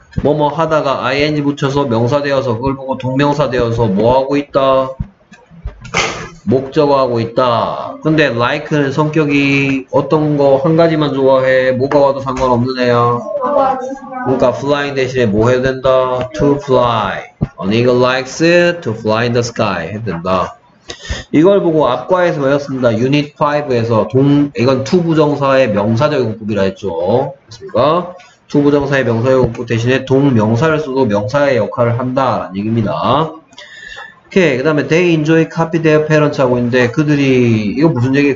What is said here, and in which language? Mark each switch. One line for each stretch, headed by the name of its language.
Korean: 뭐뭐 하다가 ing 붙여서 명사 되어서 그걸 보고 동명사 되어서 뭐 하고 있다? 목적어하고 있다. 근데 like는 성격이 어떤 거 한 가지만 좋아해. 뭐가 와도 상관없는 애야. 그러니까 flying 대신에 뭐 해야 된다? To fly.
English: An eagle likes it to fly in the sky.
Korean: 해야 된다. 이걸 보고 앞과에서 외웠습니다. Unit 5에서 이건 to 부정사의 명사적용법이라 했죠. 됐습니까? to 부정사의 명사적용법 대신에 동명사를 써도 명사의 역할을 한다라는 얘기입니다. 오케이. 그 다음에
English: they enjoy copy their parents
Korean: 하고 있는데 그들이 이거 무슨 얘기예요?